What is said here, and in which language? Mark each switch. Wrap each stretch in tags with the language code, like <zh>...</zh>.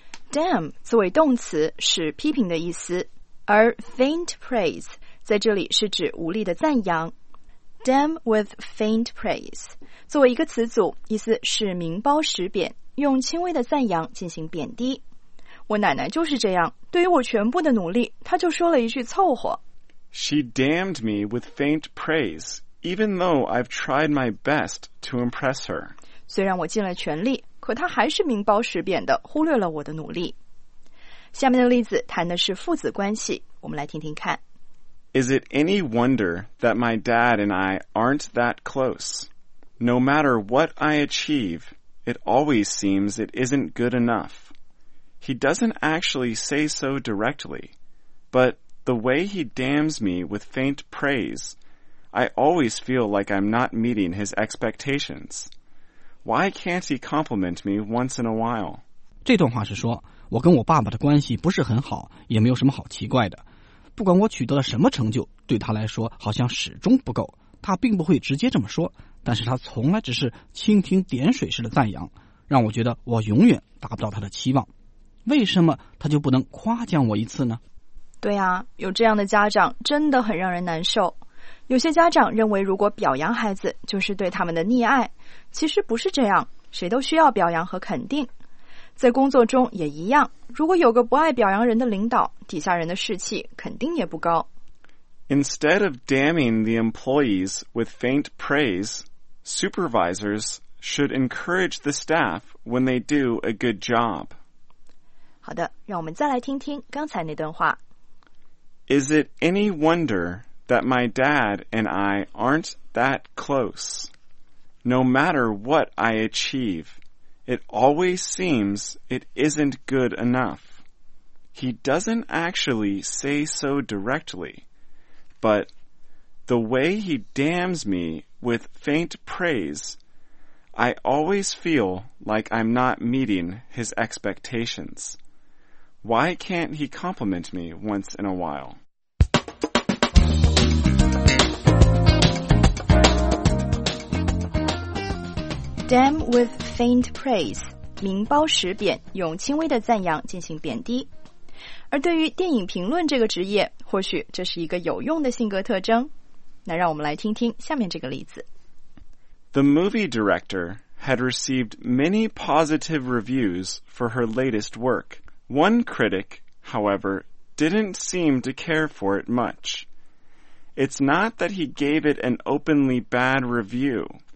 <zh>Damn 作为动词是批评的意思。而 faint praise 在这里是指无力的赞扬。</zh> <en>Damn with faint praise</en> <zh>作为一个词组，意思是名包实贬，用轻微的赞扬进行贬低。我奶奶就是这样，对于我全部的努力，她就说了一句凑合。</zh> <en>She damned me with faint praise, even though I've tried my best to impress her.</en> <zh>虽然我尽了全力，可她还是名包实贬的忽略了我的努力。下面的例子谈的是父子关系，我们来听听看。</zh> <en>Is it any wonder that my dad and I aren't that close? No matter what I achieve, it always seems it isn't good enough. He doesn't actually say so directly, but the way he damns me with faint praise, I always feel like I'm not meeting his expectations. Why can't he compliment me once in a while?</en> <zh>这段话是说我跟我爸爸的关系不是很好，也没有什么好奇怪的。不管我取得了什么成就，对他来说好像始终不够。他并不会直接这么说，但是他从来只是蜻蜓点水式的赞扬，让我觉得我永远达不到他的期望。为什么他就不能夸奖我一次呢？对啊，有这样的家长真的很让人难受。有些家长认为如果表扬孩子就是对他们的溺爱，其实不是这样，谁都需要表扬和肯定。在工作中也一样，如果有个不爱表扬人的领导，底下人的士气肯定也不高。</zh> <en>Instead of damning the employees with faint praise, supervisors should encourage the staff when they do a good job.</en> <zh>好的，让我们再来听听刚才那段话。</zh> <en>Is it any wonder that my dad and I aren't that close? No matter what I achieve, it always seems it isn't good enough. He doesn't actually say so directly, but the way he damns me with faint praise, I always feel like I'm not meeting his expectations. Why can't he compliment me once in a while? Damn with faint praise,</en> <zh>名包实贬，用轻微的赞扬进行贬低。而对于电影评论这个职业，或许这是一个有用的性格特征。那让我们来听听下面这个例子。</zh> <en>The movie director had received many positive reviews for her latest work. One critic, however, didn't seem to care for it much. It's not that he gave it an openly bad review.</en>